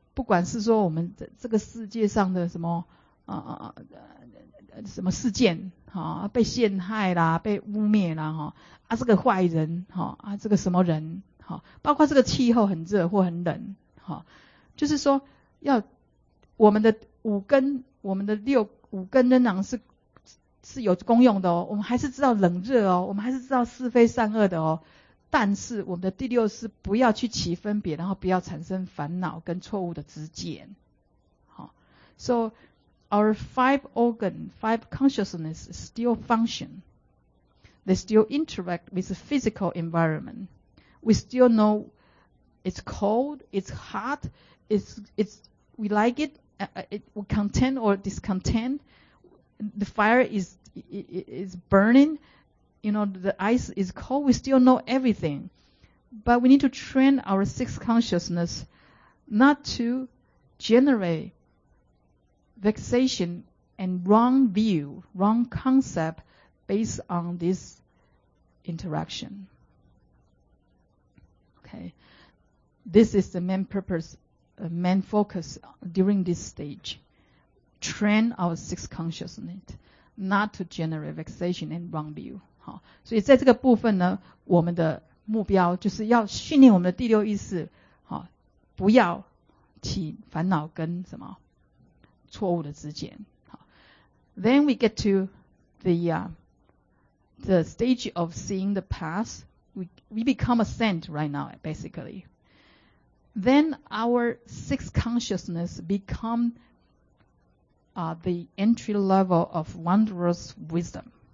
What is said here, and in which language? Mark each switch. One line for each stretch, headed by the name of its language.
Chinese: 不管是说我们这个世界上的什么什么事件哈、啊，被陷害啦，被污蔑啦哈，啊这个坏人哈，啊这个什么人哈，包括这个气候很热或很冷哈，就是说要我们的五根，我们的六五根仍然是有功用的哦，我们还是知道冷热哦，我们还是知道是非善恶的哦，但是我们的第六是不要去起分别，然后不要产生烦恼跟错误的知见。
English: So our five organ, five consciousness still function. They still interact with the physical environment. We still know it's cold, it's hot, it's we like it, we're content or discontent. The fire is burning. You know, the ice is cold. We still know everything. But we need to train our sixth consciousness not to generate vexation and wrong view, wrong concept based on this interaction. Okay. This is the main purpose, main focus during this stage. Train our sixth consciousness not to generate vexation and wrong view.
Chinese: 好，所以在这个部分呢，我们的目标就是要训练我们的第六意识，好，不要起烦恼跟什么错误的知见。
English: 好 ，Then we get to the stage of seeing the past. We become a saint right now, basically. Then our sixth consciousness become the entry level of wondrous wisdom.